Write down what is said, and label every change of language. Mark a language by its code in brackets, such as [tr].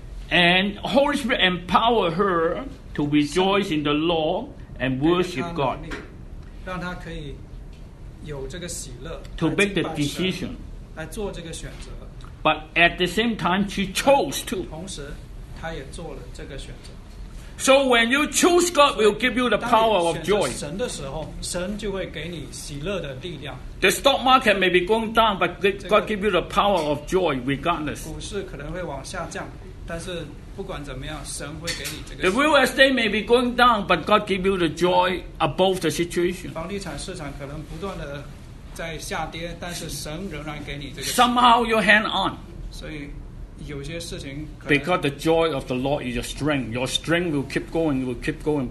[en] And Holy Spirit empower her to rejoice in the Lord and worship God. [zh] 让他可以有这个喜乐。 [en] To make the decision. [zh] 来做这个选择。 [en] But at the same time, she chose to. [zh] 同时，他也做了这个选择。 [en] So when you choose God, will give you the power of joy. [zh] 神的时候，神就会给你喜乐的力量。 [en] The stock market may be going down, but God give you the power of joy regardless. [zh] 股市可能会往下降，但是不管怎么样，神会给你这个。 [en] The real estate may be going down, but God give you the joy above the situation. [zh] 房地产市场可能不断的在下跌，但是神仍然给你这个。 [en] Somehow you hang on. [zh] 所以。有些事情 [en] Because the joy of the Lord is your strength. Your strength will keep going, will keep going.